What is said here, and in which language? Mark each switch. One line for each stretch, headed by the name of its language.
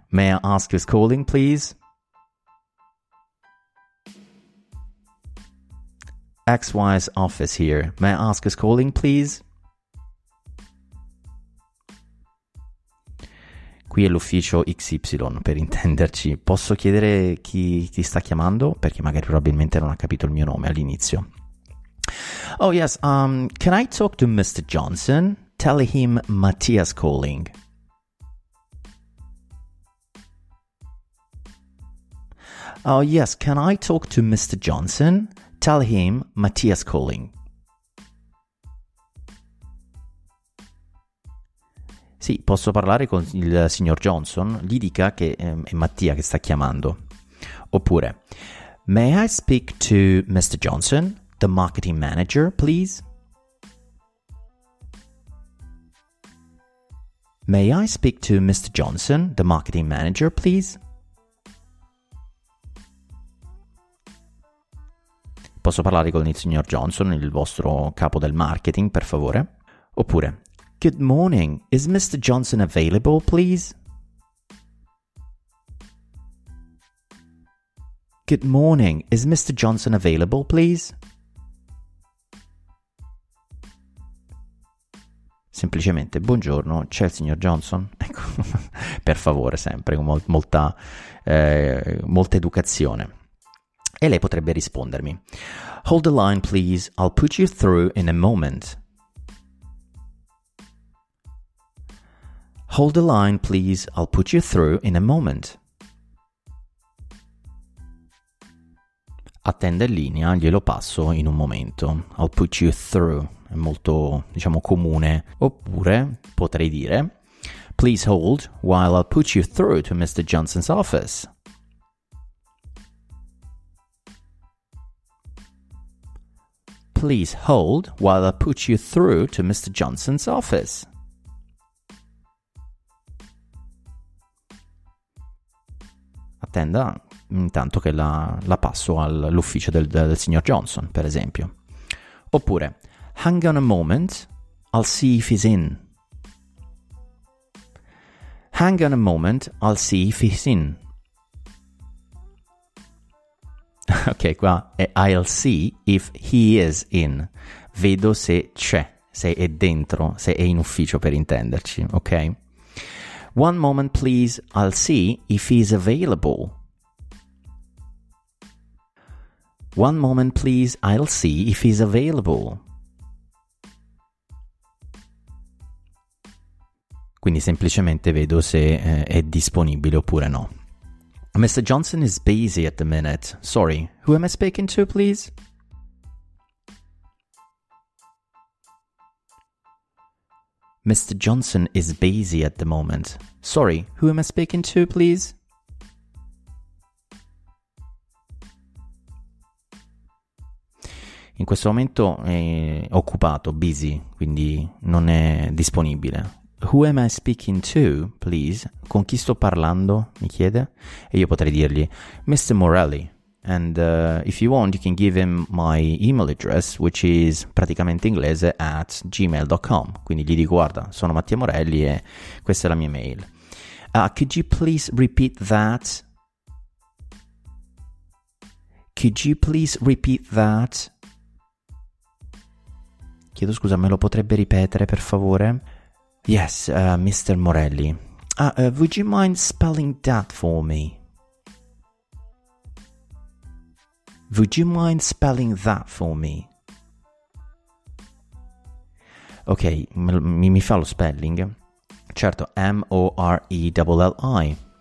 English: May I ask who's calling, please? XY's office here. May I ask who's calling, please?
Italian: Qui è l'ufficio XY, per intenderci. Posso chiedere chi ti sta chiamando? Perché magari probabilmente non ha capito il mio nome all'inizio.
English: Oh, yes. Can I talk to Mr. Johnson? Tell him Mattia's calling. Oh, yes. Can I talk to Mr. Johnson? Tell him Mattia's calling.
Italian: Sì, posso parlare con il signor Johnson? Gli dica che è Mattia che sta chiamando. Oppure,
English: may I speak to Mr. Johnson, the marketing manager, please? May I speak to Mr. Johnson, the marketing manager, please?
Italian: Posso parlare con il signor Johnson, il vostro capo del marketing, per favore? Oppure,
English: good morning, is Mr. Johnson available, please? Good morning, is Mr. Johnson available, please?
Italian: Semplicemente, buongiorno, c'è il signor Johnson? Ecco, per favore, sempre, con molta educazione. E lei potrebbe rispondermi.
English: Hold the line, please. I'll put you through in a moment. Hold the line, please. I'll put you through in a moment.
Italian: Attenda in linea, glielo passo in un momento.
English: I'll put you through.
Italian: È molto, diciamo, comune. Oppure potrei dire,
English: please hold while I'll put you through to Mr. Johnson's office. Please hold while I put you through to Mr. Johnson's office.
Italian: Attenda intanto che la passo all'ufficio del signor Johnson, per esempio. Oppure,
English: hang on a moment, I'll see if he's in. Hang on a moment, I'll see if he's in.
Italian: Ok, qua è
English: I'll see if he is in.
Italian: Vedo se c'è, se è dentro, se è in ufficio, per intenderci, ok?
English: One moment, please, I'll see if he's available. One moment, please, I'll see if he's available.
Italian: Quindi semplicemente vedo se è disponibile oppure no.
English: Mr. Johnson is busy at the minute. Sorry, who am I speaking to, please? Mr. Johnson is busy at the moment. Sorry, who am I speaking to, please?
Italian: In questo momento è occupato, busy, quindi non è disponibile.
English: Who am I speaking to, please?
Italian: Con chi sto parlando, mi chiede? E io potrei dirgli,
English: Mr. Morelli. And if you want, you can give him my email address, which is
Italian: praticamente inglese,
English: at gmail.com.
Italian: Quindi gli dico, guarda, sono Mattia Morelli e questa è la mia mail.
English: Could you please repeat that? Could you please repeat that?
Italian: Chiedo scusa, me lo potrebbe ripetere, per favore?
English: Yes, Mr. Morelli. Would you mind spelling that for me? Would you mind spelling that for me?
Italian: Ok, mi fa lo spelling. Certo, M-O-R-E-L-L-I.